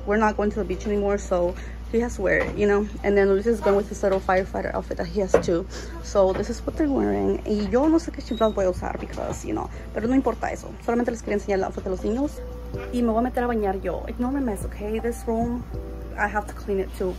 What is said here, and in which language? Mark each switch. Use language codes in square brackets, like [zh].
[en] We're not going to the beach anymore, so he has to wear it, you know. And then Luis is going with his little firefighter outfit that he has too. So this is what they're wearing. [es] Y yo no sé qué chiflas voy a usar [en] because, you know. [es] Pero no importa eso. Solamente les quería enseñar el outfit de los niños. Y me voy a meter a bañar yo. [en] Ignore my mess, okay? This room, I have to clean it too.